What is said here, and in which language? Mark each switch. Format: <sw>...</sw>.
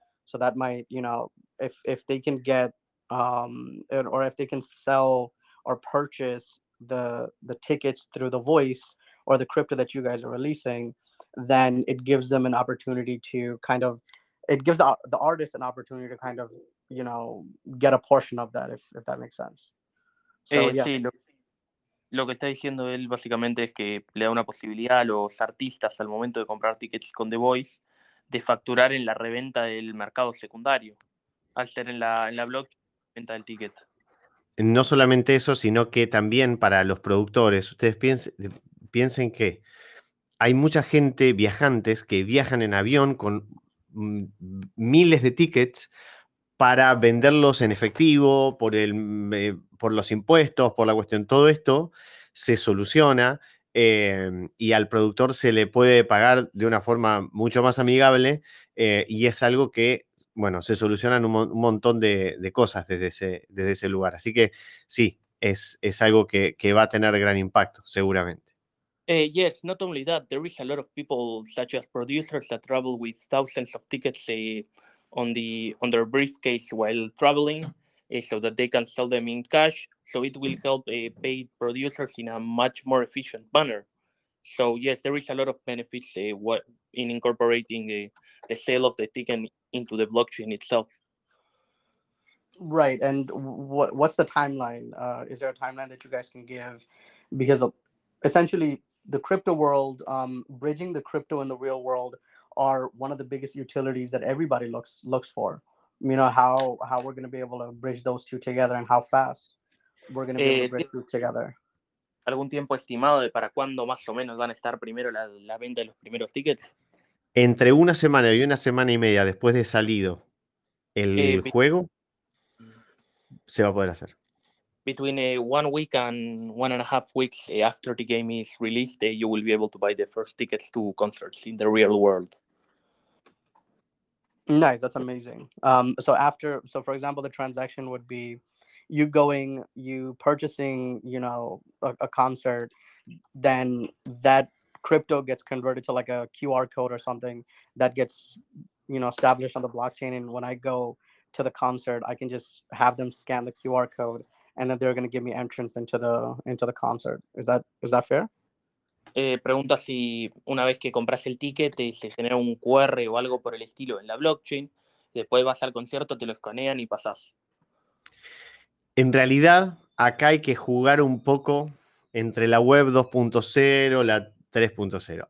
<en>So that might, you know, if they can get, or if they can sell or purchase the tickets through the voice or the crypto that you guys are releasing, then it gives them an opportunity to kind of, it gives the artist an opportunity to kind of, you know, get a portion of that, if that makes sense.</en> <es>Lo que está diciendo él básicamente es que le da una posibilidad a los artistas al momento de comprar tickets con The Voice de facturar en la reventa del mercado secundario, al ser en la blockchain, venta del ticket. No solamente eso, sino que también para los productores, ustedes piensen que hay mucha gente, viajantes, que viajan en avión con miles de tickets para venderlos en efectivo, por los impuestos, por la cuestión, todo esto se soluciona y al productor se le puede pagar de una forma mucho más amigable y es algo que, bueno, se solucionan un montón de cosas desde ese lugar. Así que sí, es algo que va a tener gran impacto, seguramente.</es> <en>Yes, not only that, there is a lot of people, such as producers, that travel with thousands of tickets on their briefcase while traveling, so that they can sell them in cash. So it will help pay producers in a much more efficient manner. So yes, there is a lot of benefits in incorporating the sale of the ticket into the blockchain itself. Right, and what's the timeline? Is there a timeline that you guys can give? Because essentially, the crypto world, bridging the crypto and the real world are one of the biggest utilities that everybody looks for. You know, how we're going to be able to bridge those two together and how fast we're going to be able to bridge them together.</en> <es>¿Algún tiempo estimado de para cuándo más o menos van a estar primero la venta de los primeros tickets? Entre una semana y media después de salido el juego, se va a poder hacer.</es> <en>Between 1 week and 1.5 weeks after the game is released, you will be able to buy the first tickets to concerts in the real world. Nice, that's amazing. So for example, the transaction would be you going, you purchasing, you know, a concert, then that crypto gets converted to like a QR code or something that gets, you know, established on the blockchain. And when I go to the concert, I can just have them scan the QR code, and then they're going to give me entrance into the concert. Is that fair?</en> <es>Pregunta si una vez que compras el ticket se genera un QR o algo por el estilo en la blockchain, después vas al concierto, te lo escanean y pasas. En realidad, acá hay que jugar un poco entre la web 2.0 y la 3.0.</es>